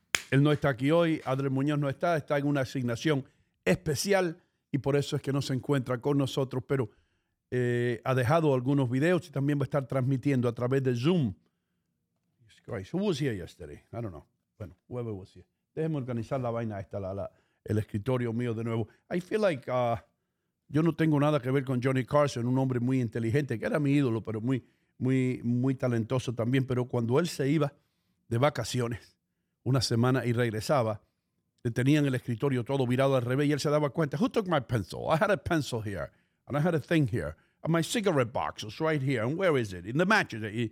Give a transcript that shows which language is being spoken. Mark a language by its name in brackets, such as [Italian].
[Spanish] Él no está aquí hoy, Adriel Muñoz no está, está en una asignación especial y por eso es que no se encuentra con nosotros, pero ha dejado algunos videos y también va a estar transmitiendo a través de Zoom. [English] Christ, who was here yesterday? I don't know. Bueno, whoever was here. [Spanish] Déjeme organizar la vaina esta, el escritorio mío de nuevo. [English] I feel like [Spanish] yo no tengo nada que ver con Johnny Carson, un hombre muy inteligente, que era mi ídolo, pero muy, muy, muy talentoso también. Pero cuando él se iba de vacaciones una semana y regresaba, le tenían el escritorio todo virado al revés y él se daba cuenta. [English] Who took my pencil? I had a pencil here, and I had a thing here, and my cigarette box is right here, and where is it? In the mattress.